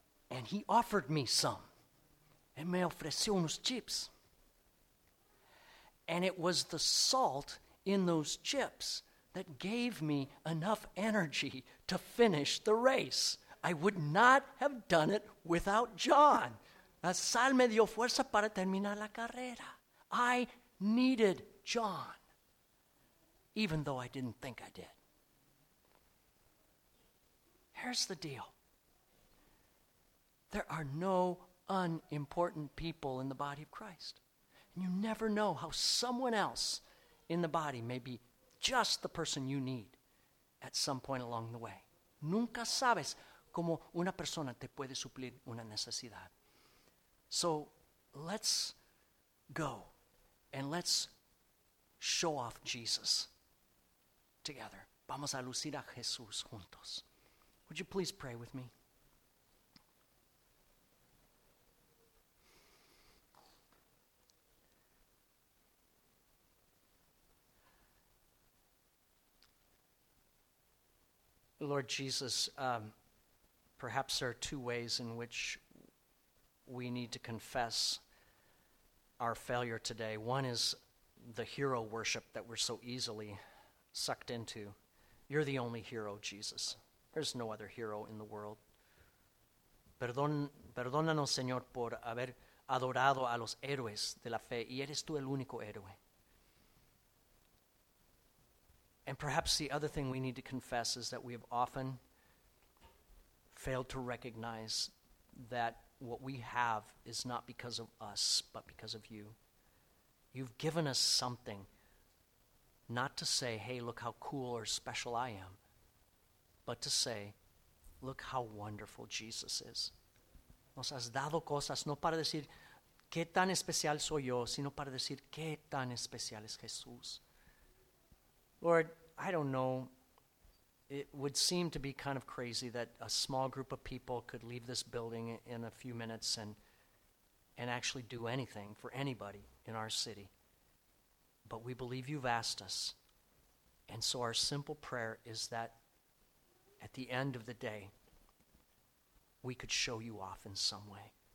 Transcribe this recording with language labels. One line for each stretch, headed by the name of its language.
English: And he offered me some.
Spanish: Él me ofreció unos chips.
English: And it was the salt in those chips that gave me enough energy to finish the race. I would not have done it without John.
Spanish: La sal me dio fuerza para terminar la carrera.
English: I needed John, even though I didn't think I did. Here's the deal. There are no unimportant people in the body of Christ. And you never know how someone else in the body may be just the person you need at some point along the way.
Spanish: Nunca sabes cómo una persona te puede suplir una necesidad.
English: So let's go and let's show off Jesus together.
Spanish: Vamos a lucir a Jesús juntos.
English: Would you please pray with me? Lord Jesus, perhaps there are two ways in which we need to confess our failure today. One is the hero worship that we're so easily sucked into. You're the only hero, Jesus. There's no other hero in the world.
Spanish: Perdónanos, Señor, por haber adorado a los héroes de la fe, y eres tú el único héroe.
English: And perhaps the other thing we need to confess is that we have often failed to recognize that what we have is not because of us, but because of you. You've given us something, not to say, hey, look how cool or special I am, but to say, look how wonderful Jesus is.
Spanish: Nos has dado cosas, no para decir, qué tan especial soy yo, sino para decir, qué tan especial es Jesús.
English: Lord, I don't know, it would seem to be kind of crazy that a small group of people could leave this building in a few minutes and actually do anything for anybody in our city. But we believe you've asked us. And so our simple prayer is that at the end of the day, we could show you off in some way.